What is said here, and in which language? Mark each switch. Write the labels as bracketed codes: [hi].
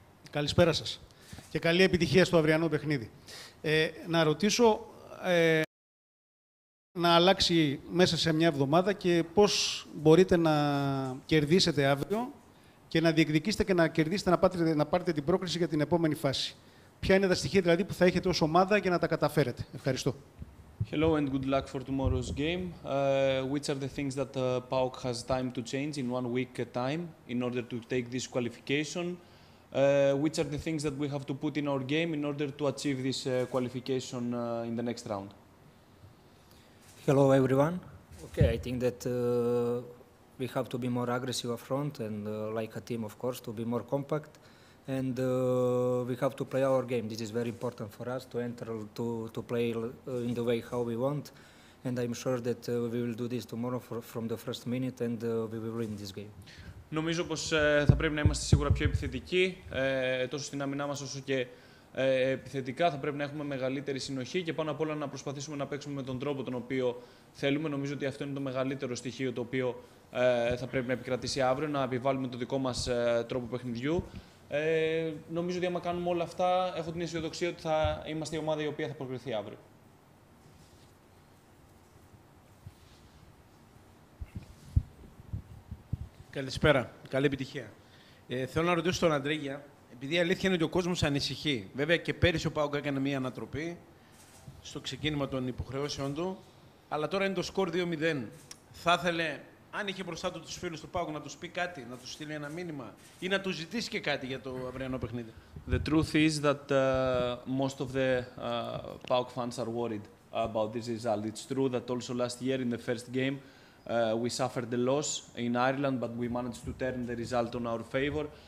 [el] Καλησπέρα σας και καλή επιτυχία στο αυριανό παιχνίδι. Να ρωτήσω να αλλάξει μέσα σε μια εβδομάδα και πώς μπορείτε να κερδίσετε αύριο και να διεκδικήσετε και να κερδίσετε να πάρετε την πρόκριση για την επόμενη φάση. Ποια είναι τα στοιχεία δηλαδή που θα έχετε ως ομάδα για να τα καταφέρετε. Ευχαριστώ. [en] Hello and good luck for tomorrow's game. Which are the things that PAOK has time to change in 1 week time in order to take this qualification? Which are the things that we have to put in our game in order to achieve this qualification in the next round? Hello everyone. Okay, I think that we have to be more aggressive up front and like a team, of course, to be more compact. And we have to play our game. This is very important for us to enter to play in the way how we want. And I'm sure that we will do this tomorrow from the first minute and we will win this game. [el] Νομίζω πως θα πρέπει να είμαστε σίγουρα πιο επιθετικοί, τόσο στην άμυνά μας όσο και επιθετικά. Θα πρέπει να έχουμε μεγαλύτερη συνοχή και πάνω απ' όλα να προσπαθήσουμε να παίξουμε με τον τρόπο τον οποίο θέλουμε. Νομίζω ότι αυτό είναι το μεγαλύτερο στοιχείο το οποίο θα πρέπει να επικρατήσει αύριο, να επιβάλλουμε το δικό μας τρόπο παιχνιδιού. Νομίζω ότι άμα κάνουμε όλα αυτά, έχω την αισιοδοξία ότι θα είμαστε η ομάδα η οποία θα προκριθεί αύριο. Καλησπέρα. Καλή επιτυχία. Θέλω να ρωτήσω τον Αντρίγια, επειδή η αλήθεια είναι ότι ο κόσμος ανησυχεί. Βέβαια και πέρυσι ο ΠΑΟΚ έκανε μία ανατροπή στο ξεκίνημα των υποχρεώσεων του, αλλά τώρα είναι το σκορ 2-0. Θα ήθελε, αν είχε μπροστά του τους φίλους του ΠΑΟΚ, να τους πει κάτι, να τους στείλει ένα μήνυμα ή να τους ζητήσει και κάτι για το αυριανό παιχνίδι. [en] The truth is that most of the ΠΑΟΚ fans are worried about this result. It's true that also last year in the first game we suffered a loss in Ireland, but we managed to turn the result on our favor.